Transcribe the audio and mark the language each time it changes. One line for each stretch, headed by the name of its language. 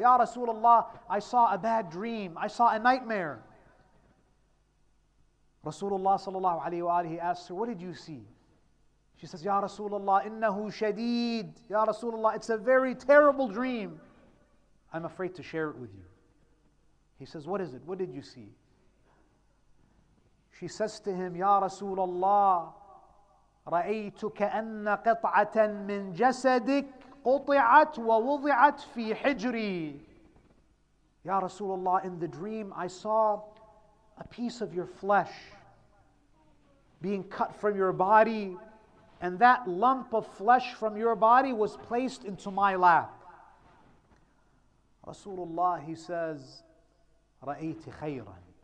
English: Ya Rasulullah, I saw a bad dream. I saw a nightmare. Rasulullah sallallahu alayhi wa alihi asked her, what did you see? She says, Ya Rasulullah,
Arabic: إِنَّهُ شَدِيد.
English: Ya Rasulullah, it's a very terrible dream. I'm afraid to share it with you. He says, what is it? What did you see? She says to him,
Arabic: Ya Rasulullah, رأيت كأن قطعة من جسدك قطعت ووضعت في حجري.
English: Ya Rasulullah, in the dream I saw a piece of your flesh being cut from your body and that lump of flesh from your body was placed into my lap. Rasulullah, he says,
Arabic: رَأَيْتِ خَيْرًا.